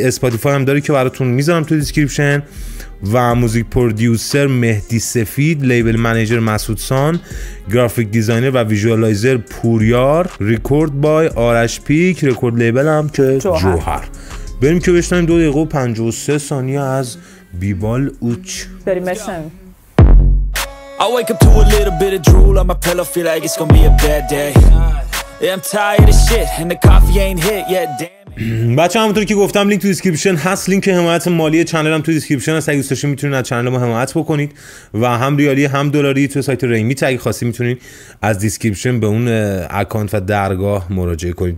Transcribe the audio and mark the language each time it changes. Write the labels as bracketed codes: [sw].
[fa] اسپاتیفای هم داره که براتون می‌ذارم تو دیسکریپشن. و موزیک پرودوسر مهدی سفید، لیبل منیجر مسعود سان، گرافیک دیزاینر و ویژوالایزر پوریار، ریکورد بای آرش پیک، ریکورد لیبل هم که جوهر. بریم که بشنویم 2:53 از بیبال اوچ. بریم بشنویم. [en] I wake up to a little bit of drool on my pillow, feel like it's gonna be a bad day. I'm tired of shit and the coffee ain't hit yet. [fa] بچه همونطور که گفتم لینک تو دیسکریپشن هست، لینک حمایت مالی چنل هم تو دیسکریپشن هست، اگه دوستاشی میتونید از چنل ما حمایت بکنید و هم ریالی هم دلاری تو سایت ریمیت، اگه خواستی میتونید از دیسکریپشن به اون اکانت و درگاه مراجعه کنید.